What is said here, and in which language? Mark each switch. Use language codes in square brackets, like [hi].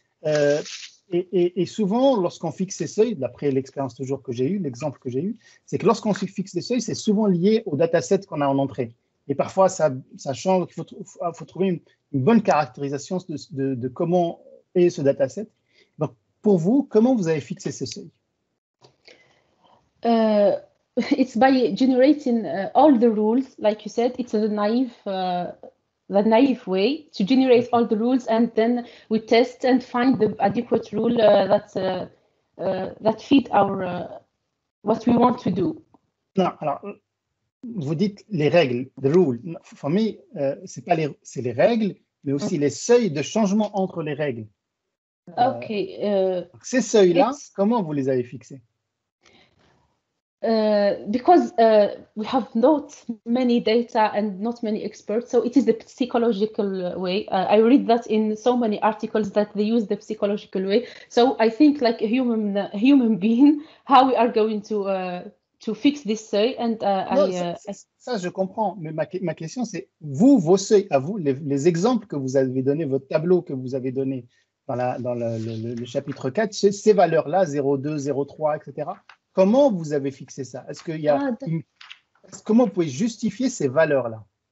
[fr] Et souvent, lorsqu'on fixe ces seuils, d'après l'expérience toujours que j'ai eue, l'exemple que j'ai eu, c'est que lorsqu'on fixe des seuils, c'est souvent lié au dataset qu'on a en entrée. Et parfois, ça change, il faut trouver une bonne caractérisation de comment est ce dataset. Donc, pour vous, comment vous avez fixé ces seuils? [en] It's by generating all the rules, like you said. It's the naive way to generate all the rules, and then we test and find the adequate rule that fit our what we want to do. [fr] Non, alors vous dites les règles, [en] the rule. For me, [fr] c'est les règles, mais aussi les seuils de changement entre les règles. [en] Okay. [fr] Ces seuils-là, comment vous les avez fixés? [en] Because we have not many data and not many experts, so it is the psychological way. I read that in so many articles that they use the psychological way. So I think, like a human being, how we are going to fix this seuil? [fr] Je comprends. Mais ma question, c'est vous, vos seuils à vous, les exemples que vous avez donné, votre tableau que vous avez donné dans le chapitre 4, ces valeurs-là, 0,2, 0,3, etc. Comment vous avez fixé ça? Est-ce que comment vous pouvez justifier ces valeurs-là?